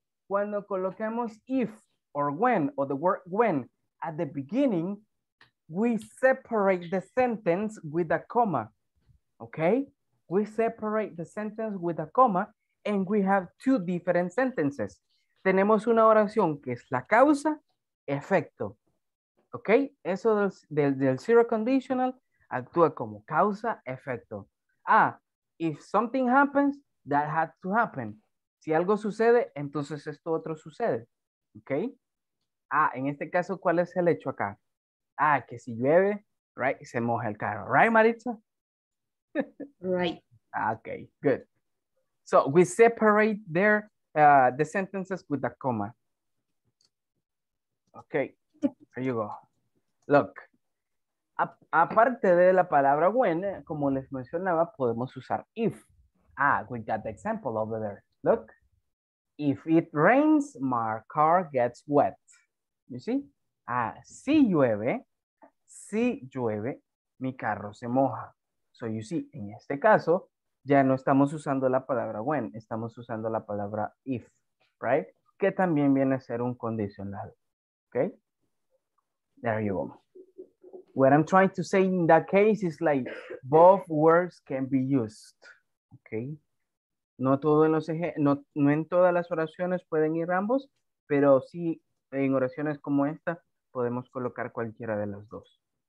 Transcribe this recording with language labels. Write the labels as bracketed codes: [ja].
[es] Cuando colocamos [en] if or when or the word when at the beginning, we separate the sentence with a comma, okay? We separate the sentence with a comma and we have two different sentences. [es] Tenemos una oración que es la causa, efecto, okay? Eso del zero conditional actúa como causa, efecto. [en] Ah, if something happens, that had to happen. [es] Si algo sucede, entonces esto otro sucede, okay? Ah, en este caso, ¿cuál es el hecho acá? Ah, que si llueve, right, se moja el carro. [en] Right, Maritza? Right. Okay, good. So we separate there the sentences with a comma. Okay, there you go. Look, [es] aparte de la palabra when, como les mencionaba, podemos usar if. [en] Ah, we got the example over there. Look, if it rains, my car gets wet. You see? [es] Ah, si llueve. Si llueve, mi carro se moja. [en] So you see, [es] en este caso, ya no estamos usando la palabra when, estamos usando la palabra if, right? Que también viene a ser un condicional, okay? [en] There you go. What I'm trying to say in that case is like, both words can be used, okay? [es] No todo en los no en todas las oraciones pueden ir ambos, pero sí en oraciones como esta, podemos colocar cualquiera de las dos.